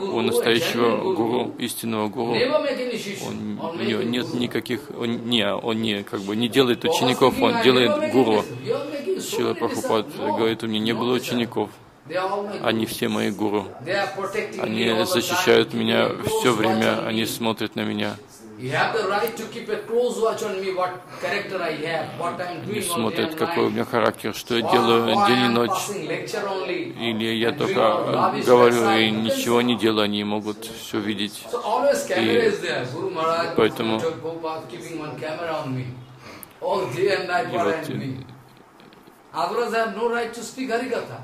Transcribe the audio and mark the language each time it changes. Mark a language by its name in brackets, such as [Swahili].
[Russian] У настоящего гуру, истинного гуру, у него нет никаких, он не делает учеников, он делает гуру. Шрила Прабхупада говорит, у меня не было учеников, они все мои гуру. Они защищают меня все время, они смотрят на меня. [English] You have the right to keep a close watch on me. What character I have? What I'm doing? [Russian] Они смотрят, какой у меня характер, что я делаю день и ночь, или я только говорю и ничего не делаю, они могут все видеть. И поэтому. И вот. [English] Others have no right to speak Harikatha.